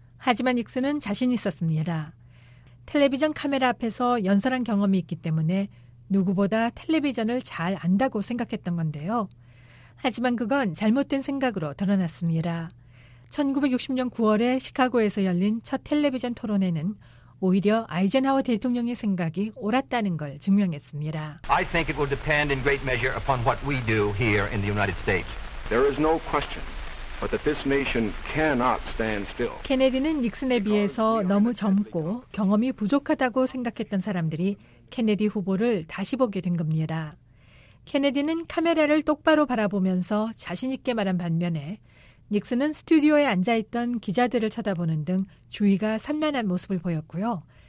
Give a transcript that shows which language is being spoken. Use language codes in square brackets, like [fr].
[ko] 하지만 닉슨은 자신 있었습니다. 텔레비전 카메라 앞에서 연설한 경험이 있기 때문에 누구보다 텔레비전을 잘 안다고 생각했던 건데요. 하지만 그건 잘못된 생각으로 드러났습니다. 1960년 9월에 시카고에서 열린 첫 텔레비전 토론회는 오히려 아이젠하워 대통령의 생각이 옳았다는 걸 증명했습니다. [en] I think it will depend in great measure upon what we do here in the United States. There is no question but that this nation cannot stand still. [ko] 케네디는 닉슨에 비해서 너무 젊고 경험이 부족하다고 생각했던 사람들이 케네디 후보를 다시 보게 된 겁니다. 케네디는 카메라를 똑바로 바라보면서 자신 있게 말한 반면에 닉슨은 스튜디오에 앉아있던 기자들을 쳐다보는 등 주의가 산만한 모습을 보였고요.